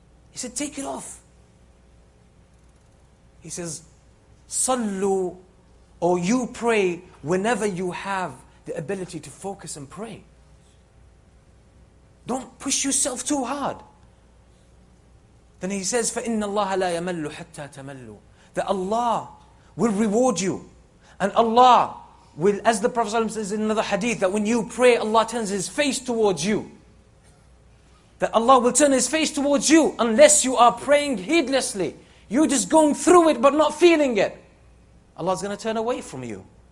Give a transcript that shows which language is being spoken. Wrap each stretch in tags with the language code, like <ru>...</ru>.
<en>He said, take it off. He says, sallu, or you pray whenever you have the ability to focus and pray. Don't push yourself too hard.</en> <ar>Then he says, فَإِنَّ اللَّهَ لَا يَمَلُّ حَتَّى تَمَلُّ.</ar> <en>That Allah will reward you. And Allah will, as the Prophet ﷺ says in another hadith, that when you pray, Allah turns His face towards you. That Allah will turn His face towards you unless you are praying heedlessly. You're just going through it but not feeling it. Allah's going to turn away from you.</en>